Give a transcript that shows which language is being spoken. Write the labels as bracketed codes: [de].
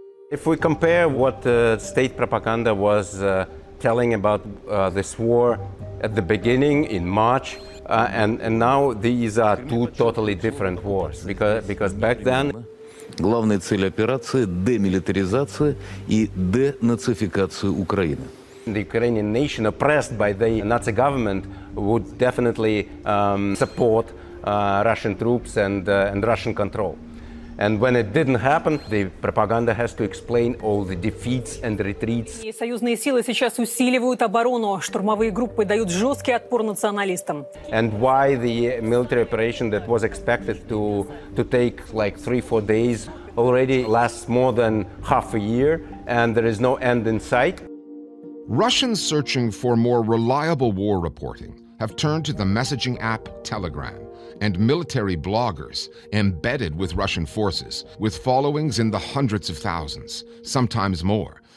[en] If we compare what state propaganda was telling about this war at the beginning in March, and now these are two totally different wars, because back then, [ru] главная цель операции — демилитаризация и денацификация Украины. [en] The Ukrainian nation, oppressed by the Nazi government, would definitely support Russian troops and Russian control. And when it didn't happen, the propaganda has to explain all the defeats and retreats. [ru] Союзные силы сейчас усиливают оборону, штурмовые группы дают жесткий отпор националистам. [en] And why the military operation that was expected to take like 3-4 days already lasts more than half a year, and there is no end in sight. Russians searching for more reliable war reporting have turned to the messaging app Telegram and military bloggers embedded with Russian forces with followings in the hundreds of thousands, sometimes more.